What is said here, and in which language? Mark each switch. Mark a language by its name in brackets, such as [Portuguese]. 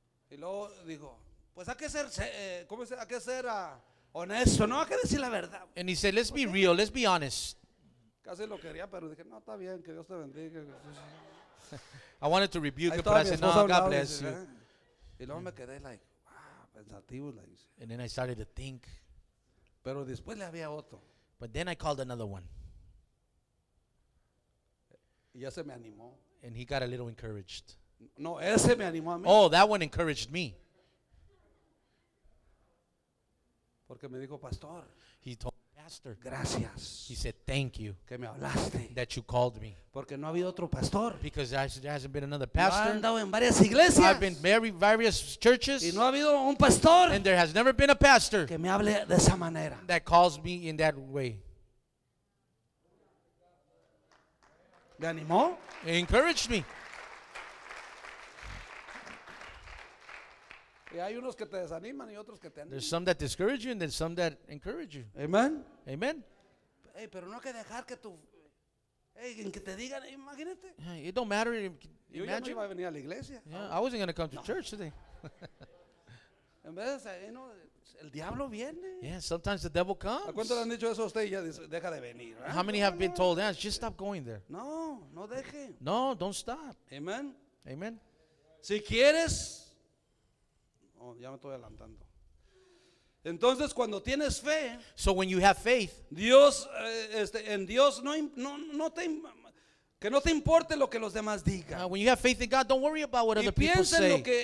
[Spanish] Y luego digo, pues hay que ser, ¿cómo se dice? Hay que ser... honesto, no hay que decir la verdad. [English] And he said, let's be real, let's be honest. [Spanish] Casi lo quería, pero dije, no, está bien, que Dios te bendiga. [English] I wanted to rebuke him, but I said, no, God bless you. [Spanish] Y luego me quedé, [English] like, wow, [Spanish] pensativo. [English] And then I started to think. [Spanish] Pero después le había otro. [English] But then I called another one. [Spanish] Y ya se me animó. [English] And he got a little encouraged. [Spanish] No, ese me animó a mí. [English] Oh, that one encouraged me. [Spanish] Porque me dijo pastor. [English] He told pastor. [Spanish] Gracias. [English] He said thank you. [Spanish] Que me hablaste. [English] That you called me. [Spanish] Porque no ha habido otro pastor. [English] Because there hasn't been another pastor. [Spanish] Yo he andado en varias iglesias. [English] I've been various churches. [Spanish] Y no ha habido un pastor. [English] And there has never been a pastor. [Spanish] Que me hable de esa manera. [English] That calls me in that way. [Spanish] Me animó. [English] He encouraged me. There's some that discourage you and there's some that encourage you. [Spanish] Amen. [English] Amen. [Spanish] Hey, pero no que dejar que tu, hey, que te digan, imagínate. [English] It don't matter. Imagine. [Spanish] Yo ya no iba a venir a la iglesia. [English] Yeah, I wasn't going to come to church today. [Spanish] En vez de, no, el diablo viene. [English] Yeah, sometimes the devil comes. [Spanish] ¿A cuánto le han dicho eso a usted y ya deja de venir? [English] How many have been told, yeah, just stop going there? [Spanish] No, no deje. [English] No, don't stop. [Spanish] Amen. [English] Amen. [Spanish] Si quieres. Oh, ya me estoy adelantando. Entonces, cuando tienes fe, [English] so when you have faith, [Spanish] Dios, en Dios no te, que no te importe lo que los demás digan. [English] When you have faith in God, don't worry about what other people say.